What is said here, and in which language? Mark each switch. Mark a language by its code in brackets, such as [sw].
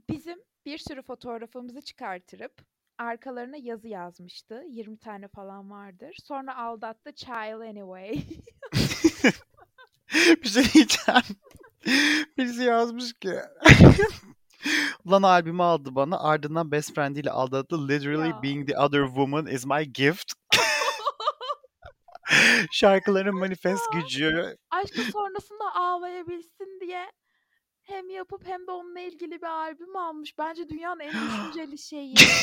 [tr] Bizim bir sürü fotoğrafımızı çıkartırıp arkalarına yazı yazmıştı. 20 tane falan vardır. Sonra aldattı. [en] Child anyway. [tr] Bir şey diyeceğim. Birisi yazmış ki. Lan albümü aldı bana. Ardından [en] best friend [tr] ile aldattı. [en] Literally [tr] ya. [en] Being the other woman is my gift. [tr] Şarkıların manifest gücü. Aşkı sonrasında ağlayabilsin diye. Hem yapıp hem de onunla ilgili bir albüm almış. Bence dünyanın en düşünceli şeyi.